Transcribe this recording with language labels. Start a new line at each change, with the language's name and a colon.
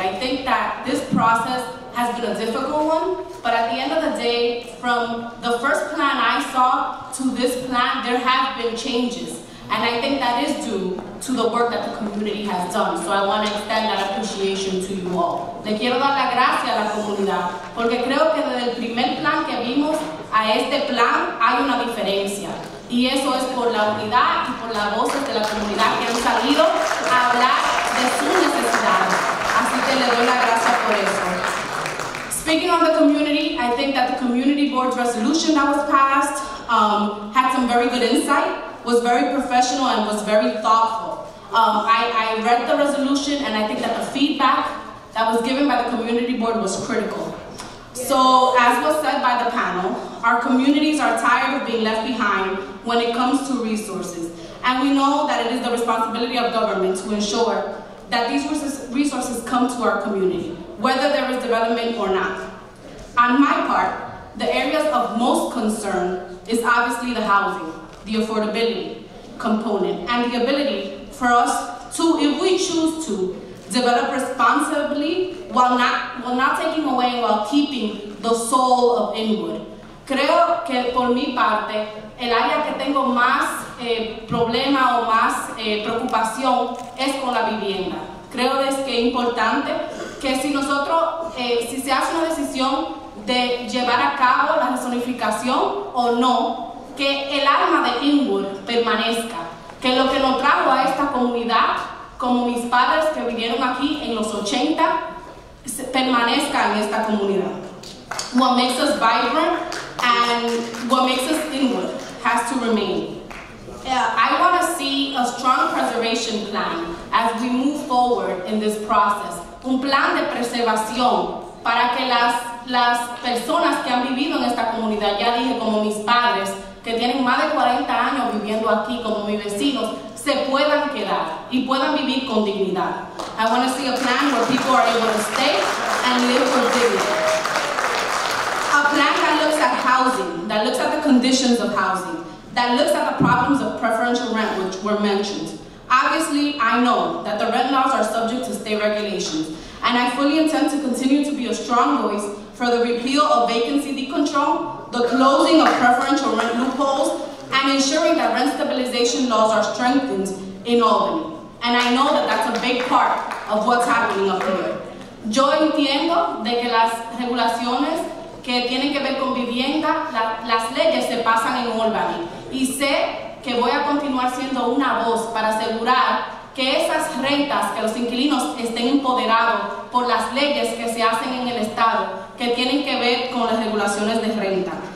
English: I think that this process has been a difficult one, but at the end of the day, from the first plan I saw to this plan, there have been changes. And I think that is due to the work that the community has done. So I want to extend that appreciation to you all.
Spanish: Le quiero dar las gracias a la comunidad, porque creo que desde el primer plan que vimos a este plan hay una diferencia. Y eso es por la unidad y por las voces de la comunidad que han salido a hablar de sus necesidades. Así que le doy la gracia por eso.
English: Speaking of the community, I think that the community board's resolution that was passed had some very good insight, was very professional, and was very thoughtful. I read the resolution, and I think that the feedback that was given by the community board was critical. So, as was said by the panel, our communities are tired of being left behind when it comes to resources. And we know that it is the responsibility of government to ensure that these resources come to our community, whether there is development or not. On my part, the areas of most concern is obviously the housing, the affordability component, and the ability for us to, if we choose to, develop responsibly while not taking away and while keeping the soul of Inwood.
Spanish: Creo que por mi parte, el área que tengo más problema o más preocupación es con la vivienda. Creo que es importante que si nosotros, si se hace una decisión de llevar a cabo la rezonificación o no, que el alma de Inwood permanezca. Que lo que nos trajo a esta comunidad, como mis padres que vinieron aquí en los 80, permanezca en esta comunidad.
English: What makes us vibrant and what makes us Inwood has to remain. I want to see a strong preservation plan as we move forward in this process.
Spanish: Un plan de preservación para que las personas que han vivido en esta comunidad, ya dije, como mis padres, que tienen más de 40 años viviendo aquí, como mis vecinos, se puedan quedar y puedan vivir con dignidad.
English: I want to see a plan where people are able to stay and live with dignity. A plan that looks at housing, that looks at the conditions of housing, that looks at the problems of preferential rent, which were mentioned. Obviously, I know that the rent laws are subject to state regulations, and I fully intend to continue to be a strong voice for the repeal of vacancy decontrol, the closing of preferential rent loopholes, and ensuring that rent stabilization laws are strengthened in Albany. And I know that that's a big part of what's happening up here.
Spanish: Yo entiendo de que las regulaciones que tienen que ver con vivienda, las leyes se pasan en Albany. Y sé que voy a continuar siendo una voz para asegurar que esas rentas, que los inquilinos estén empoderados por las leyes que se hacen en el estado, que tienen que ver con las regulaciones de renta.